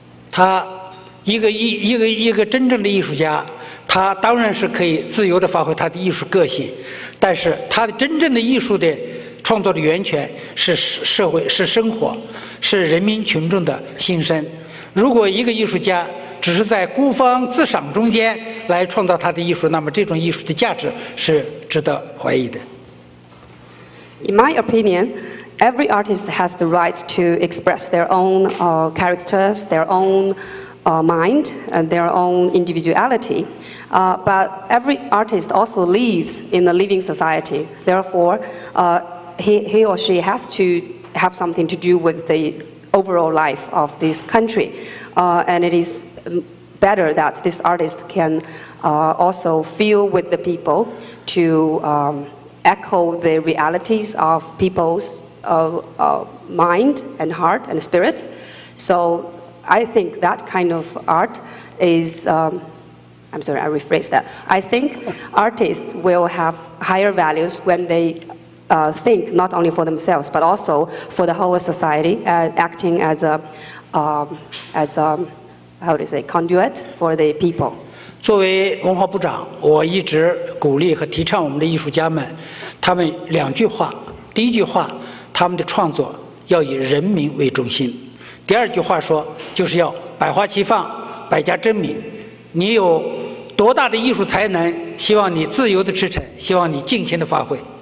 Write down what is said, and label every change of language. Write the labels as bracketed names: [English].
[Chinese] 他一个真正的艺术家，他当然是可以自由地发挥他的艺术个性，但是他的真正的艺术的创作的源泉是社会，是生活，是人民群众的心声。如果一个艺术家只是在孤芳自赏中间来创造他的艺术，那么这种艺术的价值是值得怀疑的。 [English] In my opinion, every artist has the right to express their own characters, their own mind, and their own individuality. But every artist also lives in a living society. Therefore, he or she has to have something to do with the overall life of this country. And it is better that this artist can also feel with the people to echo the realities of people's mind and heart and spirit. So I think that kind of art is, I'm sorry, I rephrase that. I think artists will have higher values when they think not only for themselves, but also for the whole society, acting as conduit for the people. [Chinese] 作为文化部长，我一直鼓励和提倡我们的艺术家们，他们两句话。第一句话，他们的创作要以人民为中心。第二句话说，就是要百花齐放，百家争鸣。你有多大的艺术才能，希望你自由的驰骋，希望你尽情的发挥。